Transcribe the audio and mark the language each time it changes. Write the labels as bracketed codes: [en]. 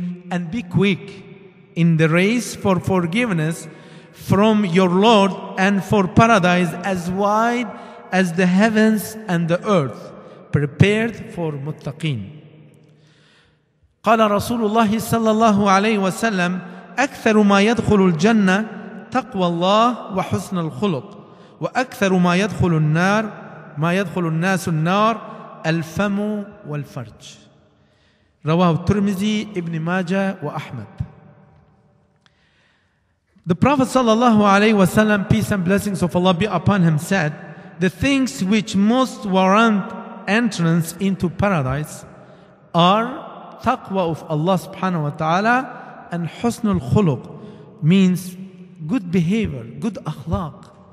[en] And be quick in the race for forgiveness from your Lord and for paradise as wide as the heavens and the earth, prepared for muttaqin. [ar] قال رسول الله صلى الله عليه وسلم أكثر ما يدخل الجنة تقوى الله وحسن الخلق وأكثر ما يدخل النار ما يدخل الناس النار الفم والفرج. رواه الترمذي ابن ماجه وأحمد. [en] The Prophet [ar] صلى الله عليه وسلم, [en] peace and blessings of Allah be upon him, said, the things which most warrant entrance into paradise are taqwa of Allah subhanahu wa ta'ala and husnul khuluq, means good behavior, good akhlaq.